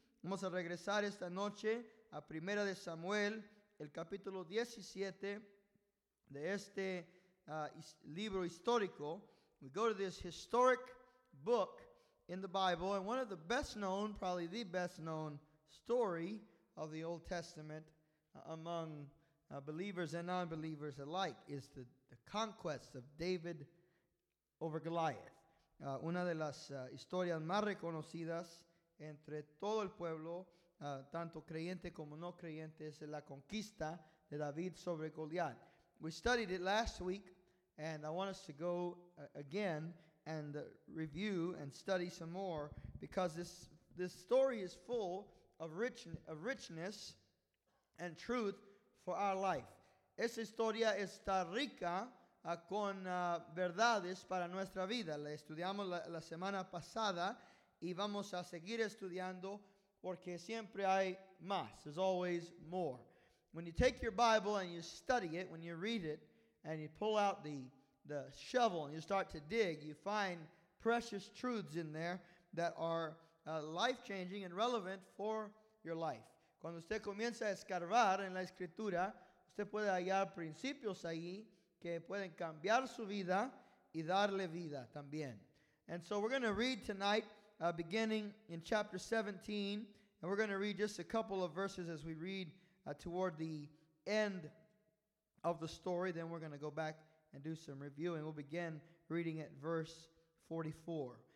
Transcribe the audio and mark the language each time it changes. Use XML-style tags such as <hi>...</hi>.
<es>Vamos a regresar esta noche a 1 de Samuel, el capítulo 17 de este libro histórico.</es> <en>We go to this historic book in the Bible, and one of the best known, probably the best known story of the Old Testament among believers and non-believers alike is the conquest of David over Goliath.</en> <es>Una de las historias más reconocidas entre todo el pueblo, tanto creyente como no creyente, es la conquista de David sobre Goliat.</es> <en>We studied it last week, and I want us to go again and review and study some more, because this story is full of richness and truth for our life.</en> <es>Esa historia está rica con verdades para nuestra vida. La estudiamos la semana pasada y vamos a seguir estudiando porque siempre hay más.</es> <en>There's always more. When you take your Bible and you study it, when you read it, and you pull out the shovel and you start to dig, you find precious truths in there that are life-changing and relevant for your life.</en> <es>Cuando usted comienza a escarbar en la Escritura, usted puede hallar principios allí que pueden cambiar su vida y darle vida también.</es> <en>And so we're going to read tonight, beginning in chapter 17, and we're going to read just a couple of verses as we read toward the end of the story. Then we're going to go back and do some reviewing. We'll begin reading at verse 44.</en>